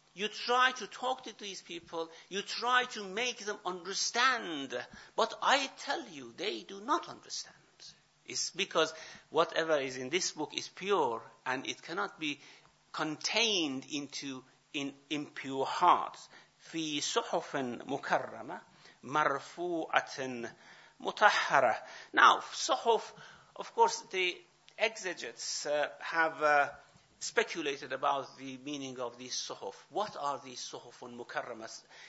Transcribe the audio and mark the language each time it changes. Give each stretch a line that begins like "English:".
English: You try to talk to these people. You try to make them understand. But I tell you, they do not understand. It's because whatever is in this book is pure, and it cannot be contained into in impure hearts.
Arabic: في صحف مكرمة مرفوعة مطهرة.
English: Now, صحف, of course, the exegetes have speculated about the meaning of these suhuf. What are these suhuf and mukarramas?